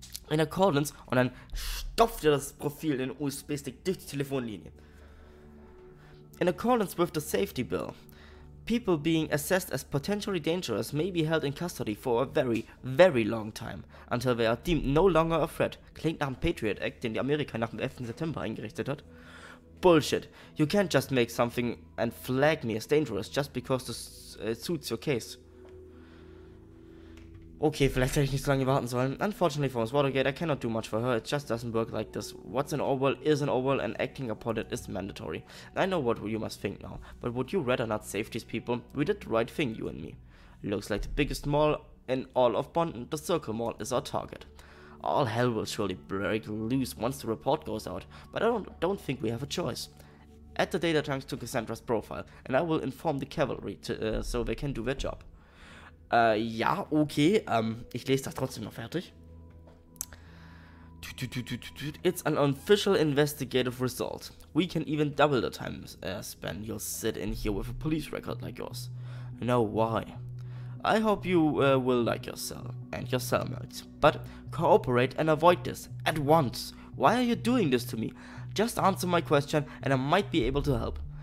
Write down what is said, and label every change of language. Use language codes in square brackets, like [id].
[en] In accordance, [de] und dann stopft er das Profil in den USB-Stick durch die Telefonlinie. [en] In accordance with the safety bill, people being assessed as potentially dangerous may be held in custody for a very, very long time, until they are deemed no longer a threat. [de] Klingt nach dem Patriot Act, den die Amerika nach dem 11. September eingerichtet hat. Bullshit. [en] You can't just make something and flag me as dangerous just because this suits your case. [de] Okay, vielleicht hätte ich nicht so lange warten sollen. [en] Unfortunately for Miss Watergate, I cannot do much for her. It just doesn't work like this. What's in Orwell is in Orwell, and acting upon it is mandatory. I know what you must think now, but would you rather not save these people? We did the right thing, you and me. Looks like the biggest mall in all of Bond, the Circle Mall, is our target. All hell will surely break loose once the report goes out, but I don't think we have a choice. Add the data trunks to Cassandra's profile, and I will inform the cavalry so they can do their job. [de] Ja, okay, ich lese das trotzdem noch fertig. [en] It's an official investigative result. We can even double the time span you'll sit in here with a police record like yours. Now why? I hope you will like your cell and your cellmates, but cooperate and avoid this at once. Why are you doing this to me? Just answer my question and I might be able to help.